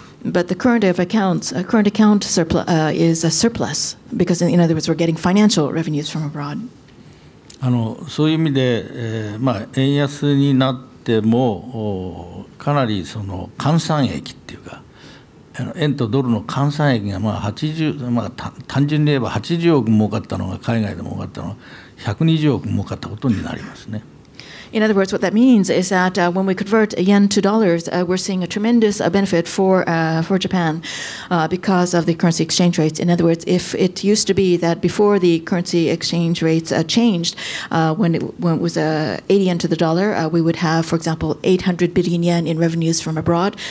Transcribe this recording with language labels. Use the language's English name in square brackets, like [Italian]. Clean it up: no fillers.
[English] But the current account surplus is a surplus because, in other words, we're getting financial revenues from abroad. [Japanese] そういう意味で、円安になってもかなりその換算益っていうか、円とドルの換算益が単純に言えば80億儲かったのが海外で儲かったのが120億儲かったことになりますね。 [English] In other words, what that means is that when we convert yen to dollars, we're seeing a tremendous benefit for Japan because of the currency exchange rates. In other words, if it used to be that before the currency exchange rates changed, when it was 80 yen to the dollar, we would have, for example, 800 billion yen in revenues from abroad.